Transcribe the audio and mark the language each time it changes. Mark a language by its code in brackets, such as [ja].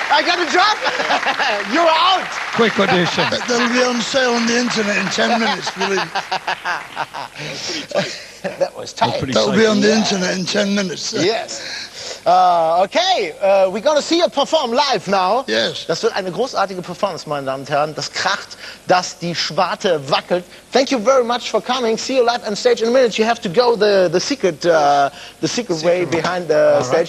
[en] I got the job? You're out. Quick audition. That'll be on sale on the internet in 10 minutes, believe me. That was tight. That'll be on the internet in 10 minutes. Yes. We're going to see you perform live now. Yes. [de] Das wird eine großartige Performance, meine Damen und Herren. Das kracht, dass die Schwarte wackelt. [en] Thank you very much for coming. See you live on stage in a minute. You have to go the secret way behind the stage.